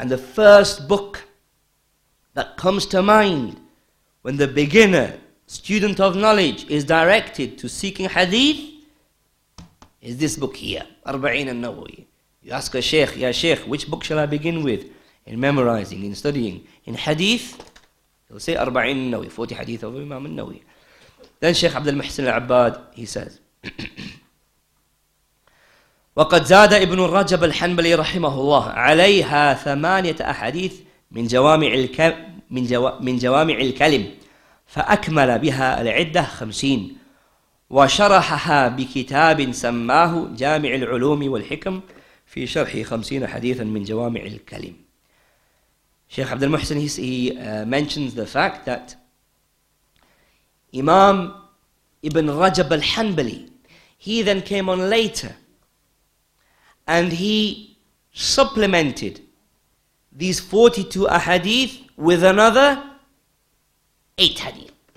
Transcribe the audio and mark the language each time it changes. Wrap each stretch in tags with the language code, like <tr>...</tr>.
<en>And the first book that comes to mind when the beginner, student of knowledge, is directed to seeking hadith is this book here, Arba'in al-Nawawi. You ask a sheikh, ya sheikh, which book shall I begin with in memorizing, in studying, in hadith? He'll say Arba'in al-Nawawi, 40 hadith of Imam al-Nawawi. Then Sheikh Abdul Muhsin al-Abbad, he says,</en> <ar>وَقَدْ زَادَ إِبْنُ الرَّجَبَ الْحَنْبَلِي رَحِمَهُ اللَّهِ عَلَيْهَا ثَمَانِيَةَ أَحَدِيثٍ مِنْ جَوَامِعِ الْكَلِمِ فأكمل بها العدة 50 وشرحها بكتاب سماه جامع العلوم والحكم في شرح 50 حديثا من جوامع الكلم.</ar> <en>Sheikh Abdul Muhsin, he mentions the fact that Imam Ibn Rajab al-Hanbali, he then came on later and he supplemented these 42 ahadith with another 8 hadith.</en>